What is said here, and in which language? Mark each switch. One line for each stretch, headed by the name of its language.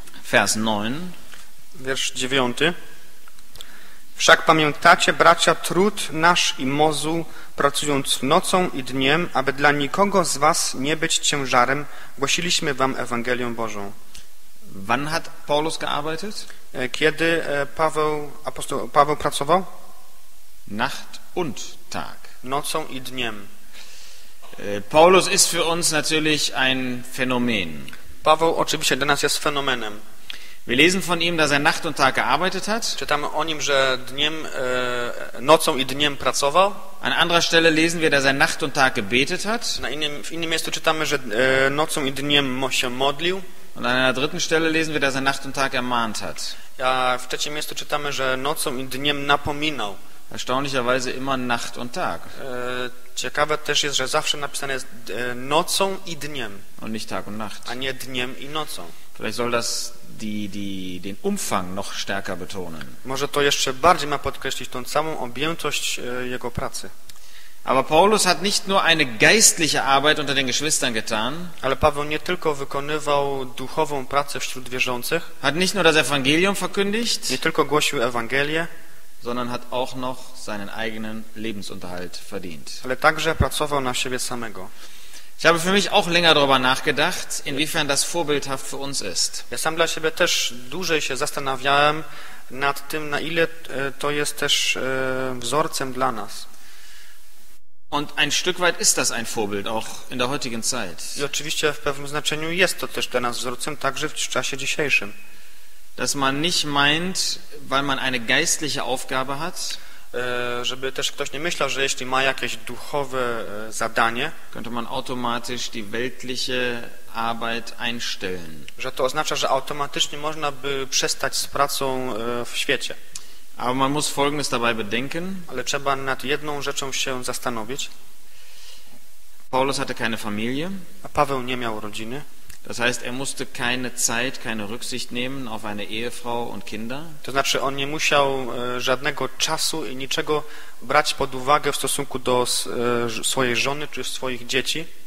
German: Vers 9.
Polish: Wiersz 9. Wszak pamiętacie, bracia, trud nasz i mozu, pracując nocą i dniem, aby dla nikogo z was nie być ciężarem, głosiliśmy wam Ewangelię Bożą.
German: Wann hat Paulus gearbeitet?
Polish: Kiedy apostoł Paweł pracował?
German: Nacht und Tag.
Polish: Nocą i dniem.
German: Paulus ist für uns natürlich ein Phänomen.
Polish: Paweł oczywiście dla nas jest fenomenem.
German: Wir lesen von ihm, dass er Nacht und Tag gearbeitet hat.
Polish: Czytamy o nim, że nocą i dniem pracował.
German: An anderer Stelle lesen wir, dass er Nacht und Tag gebetet hat.
Polish: W innym miejscu czytamy, że nocą i dniem się modlił.
German: Und an einer dritten Stelle lesen wir, dass er Nacht und Tag ermahnt hat.
Polish: Ja, w trzecim miejscu czytamy, że nocą i dniem napominał.
German: Erstaunlicherweise immer Nacht und Tag.
Polish: Ciekawe też jest, że zawsze napisane jest nocą i dniem.
German: Und nicht Tag und Nacht.
Polish: A nie dniem i nocą.
German: Vielleicht soll das den Umfang noch stärker betonen.
Polish: Może to jeszcze bardziej ma podkreślić tą całą objętość jego pracy.
German: Aber Paulus hat nicht nur eine geistliche Arbeit unter den Geschwistern getan.
Polish: Ale Paweł nie tylko wykonywał duchową pracę wśród wierzących.
German: Hat nicht nur das Evangelium verkündigt.
Polish: Nie tylko głosił Ewangelię.
German: Sondern hat auch noch seinen eigenen Lebensunterhalt verdient.
Polish: Ale także pracował na siebie samego.
German: Ich habe für mich auch länger darüber nachgedacht, inwiefern das vorbildhaft für uns ist.
Polish: Ja sam dla siebie też dłużej się zastanawiałem nad tym, na ile to jest też wzorcem dla nas.
German: Und ein Stück weit ist das ein Vorbild auch in der heutigen Zeit.
Polish: I oczywiście w pewnym znaczeniu jest to też dla nas wzorcem także w czasie dzisiejszym.
German: Dass man nicht meint, weil man eine geistliche Aufgabe hat,
Polish: żeby też ktoś nie myślał, że jeśli ma jakieś duchowe zadanie,
German: könnte man automatisch die weltliche Arbeit einstellen.
Polish: Że to oznacza, że automatycznie można by przestać z pracą w świecie.
German: Aber man muss Folgendes dabei bedenken.
Polish: Ale trzeba nad jedną rzeczą się zastanowić.
German: Paulus hatte keine Familie.
Polish: A Paweł nie miał rodziny.
German: Das heißt, er musste keine Zeit, keine Rücksicht nehmen auf eine Ehefrau und Kinder.
Polish: To znaczy, on nie musiał żadnego czasu i niczego brać pod uwagę w stosunku do swojej żony czy swoich dzieci.